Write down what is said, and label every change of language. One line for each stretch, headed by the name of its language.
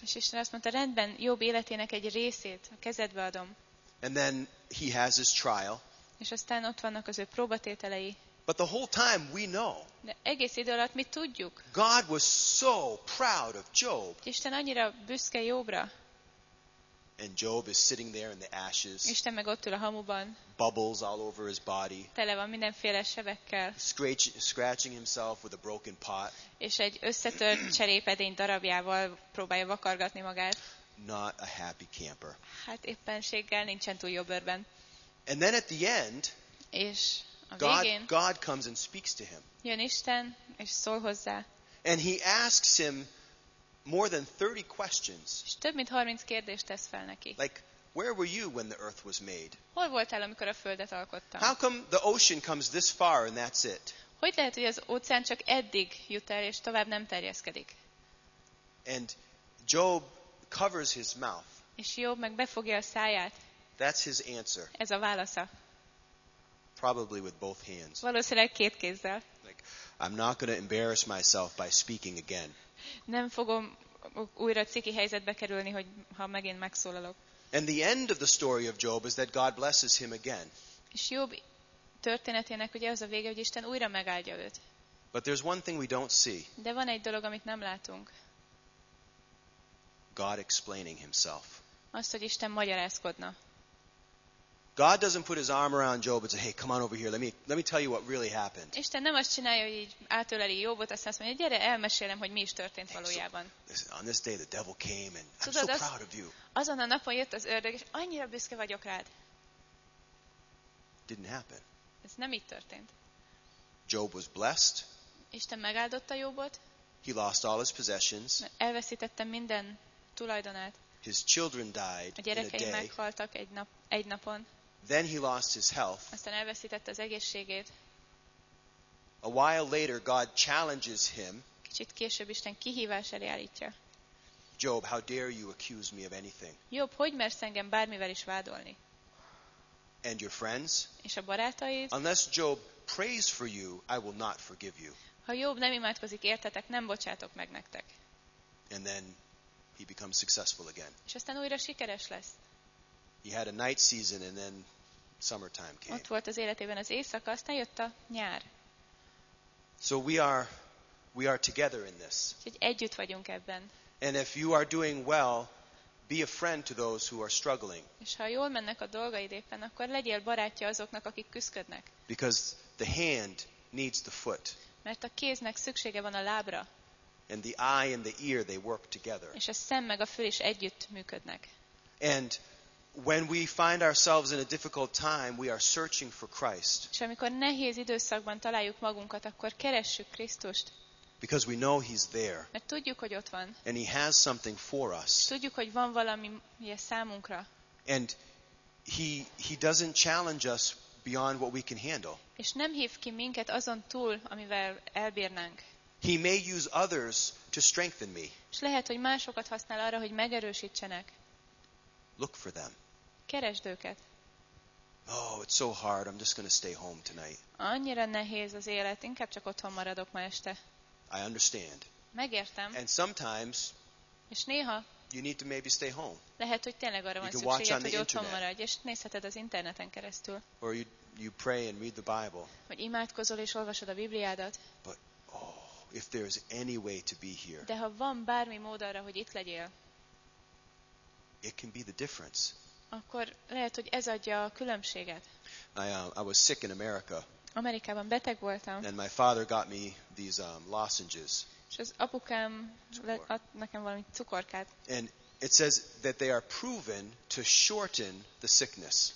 Hungarian: És Isten azt mondta, rendben, Job életének egy részét a kezedbe adom.
English: And then he has his trial.
Hungarian: És aztán ott vannak az ő próbatételei.
English: But the whole time we know.
Hungarian: De egész idő alatt mi tudjuk.
English: God was so proud of Job.
Hungarian: Isten annyira büszke Jobra.
English: And Job is sitting there in the ashes.
Hungarian: Isten meg ott ül a hamuban.
English: Bubbles all over his body.
Hungarian: Tele van mindenféle sebekkel.
English: Scratching himself with a broken pot.
Hungarian: És egy összetört cserépedény darabjával próbálja vakargatni magát.
English: Not a happy camper.
Hungarian: Hát éppenséggel nincsen túl jó bőrben.
English: And then at the end.
Hungarian: És
English: God comes and speaks to him.
Hungarian: Jön Isten és szól hozzá.
English: And he asks him more than 30 questions.
Hungarian: És több mint 30 kérdést tesz fel neki.
English: Like, where were you when the earth was made?
Hungarian: Hol voltál, amikor a földet alkottam?
English: How come the ocean comes this far and that's it?
Hungarian: Hogy lehet, hogy az óceán csak eddig jut el és tovább nem terjeszkedik?
English: And Job covers his mouth.
Hungarian: És Job meg befogja a száját.
English: That's his answer.
Hungarian: Ez a válasza.
English: Probably with both hands.
Hungarian: Valószínűleg két kézzel.
English: Like, I'm not going to embarrass myself by speaking again.
Hungarian: Nem fogom újra ciki helyzetbe kerülni, hogy ha megint megszólalok.
English: And the end of the story of Job is that God blesses him again.
Hungarian: És Job történetének ugye az a vége, hogy Isten újra megáldja őt.
English: But there's one thing we don't see.
Hungarian: De van egy dolog, amit nem látunk.
English: God explaining himself.
Hungarian: Azt, hogy Isten magyarázkodna.
English: God doesn't put his arm around Job and say, "Hey, come on over here. Let me tell you what really happened."
Hungarian: Isten nem azt csinálja, hogy így átöleli Jobot, aztán azt mondja, gyere, elmesélem, hogy mi is történt valójában.
English: On this day the devil came and I'm so proud of you.
Hungarian: Azon a napon jött az ördög, és annyira büszke vagyok rád.
English: Didn't happen.
Hungarian: Ez nem így történt.
English: Job was blessed.
Hungarian: Isten megáldotta Jobot.
English: He lost all his possessions.
Hungarian: Elveszítette minden tulajdonát.
English: His children died in a day.
Hungarian: A gyerekei meghaltak egy napon.
English: Then he lost his health.
Hungarian: Aztán elveszítette az egészségét.
English: A while later God challenges him.
Hungarian: Kicsit később Isten kihívás elé állítja.
English: Job, how dare you accuse me of anything?
Hungarian: Job, hogy mersz engem bármivel is vádolni?
English: And your friends?
Hungarian: És a barátaid?
English: Unless Job prays for you, I will not forgive you.
Hungarian: Ha Job nem imádkozik értetek, nem bocsátok meg nektek.
English: And then he becomes successful again.
Hungarian: És aztán újra sikeres lesz.
English: He had a night season and then summertime came.
Hungarian: Ott volt az életében az éjszaka, aztán jött a nyár.
English: So we are together in this.
Hungarian: Úgyhogy együtt vagyunk ebben.
English: And if you are doing well, be a friend to those who are struggling.
Hungarian: És ha jól mennek a dolgaid éppen, akkor legyél barátja azoknak, akik küszködnek.
English: Because the hand needs the foot.
Hungarian: Mert a kéznek szüksége van a lábra.
English: And the eye and the ear, they work together.
Hungarian: És a szem meg a fül is együtt működnek.
English: And when we find ourselves in a difficult time, we are searching for Christ.
Hungarian: És amikor nehéz időszakban találjuk magunkat, akkor keressük Krisztust.
English: Because we know he's there.
Hungarian: Mert tudjuk, hogy ott van.
English: And he has something for us.
Hungarian: Tudjuk, hogy van valami számunkra.
English: And he doesn't challenge us beyond what we can handle.
Hungarian: És nem hív ki minket azon túl, amivel elbírnánk.
English: He may use others to strengthen me.
Hungarian: És lehet, hogy másokat használ arra, hogy megerősítsenek.
English: Look for them.
Hungarian: Keresd őket.
English: Oh, it's so hard. I'm just going to stay home tonight.
Hungarian: Annyira nehéz az élet, inkább csak otthon maradok ma este.
English: I understand.
Hungarian: Megértem.
English: And sometimes.
Hungarian: És néha.
English: You need to maybe stay home.
Hungarian: Lehet, hogy tényleg arra van szükséged, hogy otthon maradj, és nézheted az interneten keresztül.
English: Or you pray and read the Bible.
Hungarian: Vagy imádkozol és olvasod a Bibliádat.
English: But oh. if there is any way to be here.
Hungarian: De ha van bármi mód arra, hogy itt legyél.
English: It can be the difference.
Hungarian: Akkor lehet, hogy ez adja a különbséget.
English: I was sick in America.
Hungarian: Amerikában beteg voltam.
English: And my father got me these lozenges.
Hungarian: És az apukám adott nekem valami cukorkát.
English: And it says that they are proven to shorten the sickness.